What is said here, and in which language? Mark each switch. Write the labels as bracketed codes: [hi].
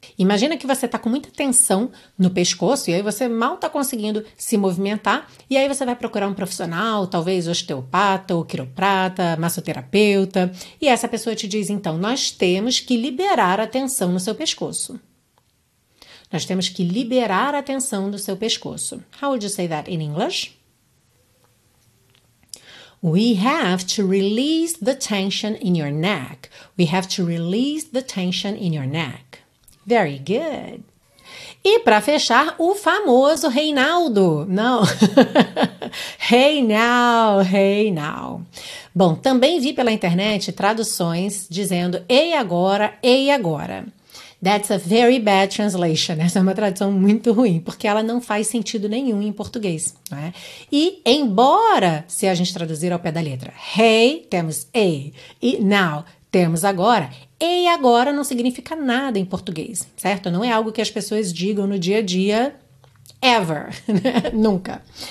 [pt] Imagina que você está com muita tensão no pescoço e aí você mal está conseguindo se movimentar e aí você vai procurar um profissional, talvez osteopata ou quiroprata, massoterapeuta, e essa pessoa te diz, então, nós temos que liberar a tensão no seu pescoço. Nós temos que liberar a tensão do seu pescoço. [en] How would you say that in English? We have to release the tension in your neck. We have to release the tension in your neck. Very good. [pt] E para fechar, o famoso Reinaldo. Não. [en] Hey now. [pt] Bom, também vi pela internet traduções dizendo ei agora. [en] That's a very bad translation. [pt] Essa é uma tradução muito ruim, porque ela não faz sentido nenhum em português. Né? E embora, se a gente traduzir ao pé da letra, hey, temos ei, e now, temos agora. Ei agora não significa nada em português, certo? Não é algo que as pessoas digam no dia a dia, ever, né? Nunca.